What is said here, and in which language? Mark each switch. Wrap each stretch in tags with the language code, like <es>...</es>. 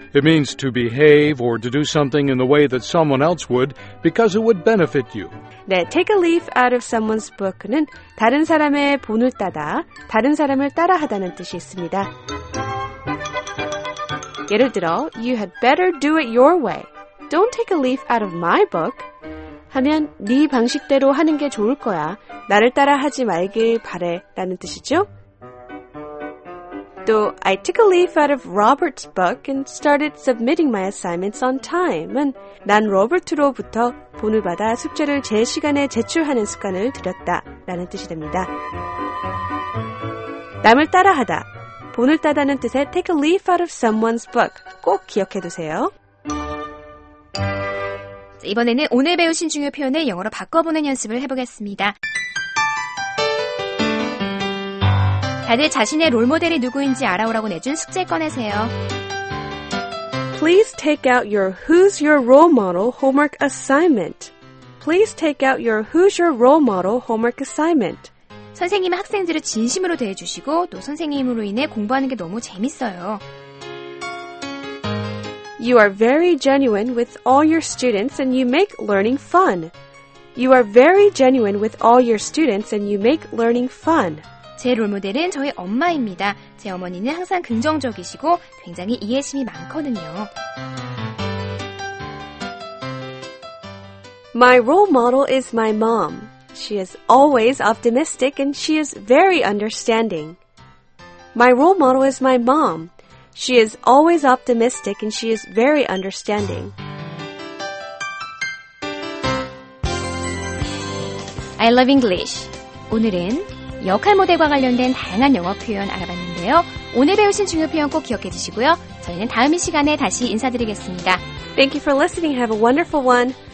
<en>It means to behave or to do something in the way that someone else would because it would benefit you.</en> <ko>네,</ko> <en>take a leaf out of someone's book</en> <ko>는 다른 사람의 본을 따다, 다른 사람을 따라하다는 뜻이 있습니다. 예를 들어,</ko> <en>you had better do it your way. Don't take a leaf out of my book.</en> <ko>하면 네 방식대로 하는 게 좋을 거야. 나를 따라 하지 말길 바래 라는 뜻이죠. 또</ko> <en>I took a leaf out of Robert's book and started submitting my assignments on time</en> <ko>은 난 로버트로부터 본을 받아 숙제를 제 시간에 제출하는 습관을 들였다 라는 뜻이 됩니다. 남을 따라하다, 본을 따다는 뜻의</ko> <en>take a leaf out of someone's book</en> <ko>꼭 기억해 두세요. 이번에는 오늘 배우신 중요 표현을 영어로 바꿔보는 연습을 해보겠습니다. 다들 자신의 롤모델이 누구인지 알아오라고 내준 숙제 꺼내세요.</ko> <en>Please take out your Who's Your Role Model homework assignment. Please take out your Who's Your Role Model homework assignment.</en> <ko>선생님은 학생들을 진심으로 대해주시고 또 선생님으로 인해 공부하는 게 너무 재밌어요.</ko> <en>You are very genuine with all your students and you make learning fun. You are very genuine with all your students and you make learning fun.</en> <ko>제 롤모델은 저희 엄마입니다. 제 어머니는 항상 긍정적이시고 굉장히 이해심이 많거든요.</ko> <en>My role model is my mom. She is always optimistic and she is very understanding. My role model is my mom. She is always optimistic and she is very understanding. I love English.</en> <ko>오늘은 역할 모델과 관련된 다양한 영어 표현 알아봤는데요. 오늘 배우신 중요 표현 꼭 기억해 주시고요. 저희는 다음 이 시간에 다시 인사드리겠습니다.</ko> <en>Thank you for listening. Have a wonderful one.</en>